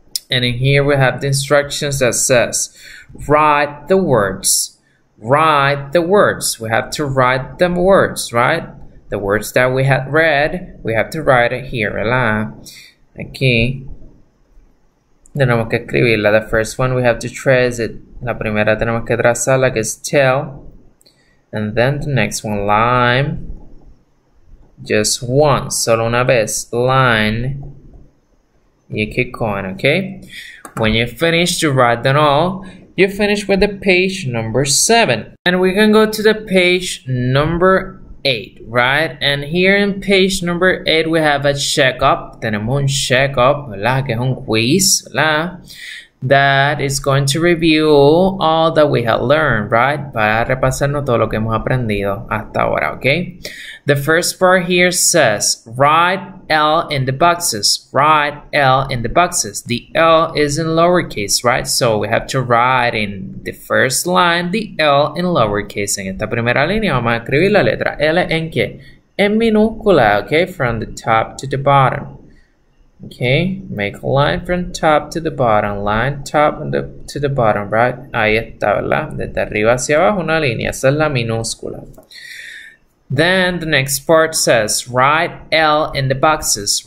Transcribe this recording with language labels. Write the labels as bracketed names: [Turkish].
[English] And in here we have the instructions that says, write the words. Write the words. We have to write them words, right? The words that we had read, we have to write it here, [Spanish] ¿verdad? Aquí. Tenemos que escribirla. [English] The first one we have to trace it. [Spanish] La primera tenemos que trazarla, que es tell. [English] And then the next one, line. Just one, [Spanish] solo una vez, [English] line. You keep going, okay? When you finish to write them all, you finish with the page number 7. And we can go to the page number 8, right? And here in page number 8, we have a checkup. [Spanish] Tenemos un checkup, ¿verdad? Que es un quiz, ¿verdad? [English] That is going to review all that we have learned, right? [Spanish] Para repasarnos todo lo que hemos aprendido hasta ahora, okay? [English] The first part here says, write L in the boxes. Write L in the boxes. The L is in lowercase, right? So we have to write in the first line the L in lowercase. [Spanish] En esta primera línea vamos a escribir la letra L en qué? En minúscula, [English] okay? From the top to the bottom. Okay, make a line from top to the bottom. Line top to the bottom, right? [Spanish] Ahí está, ¿verdad? Desde arriba hacia abajo una línea. Esa es la minúscula. [English] Then the next part says, write L in the boxes.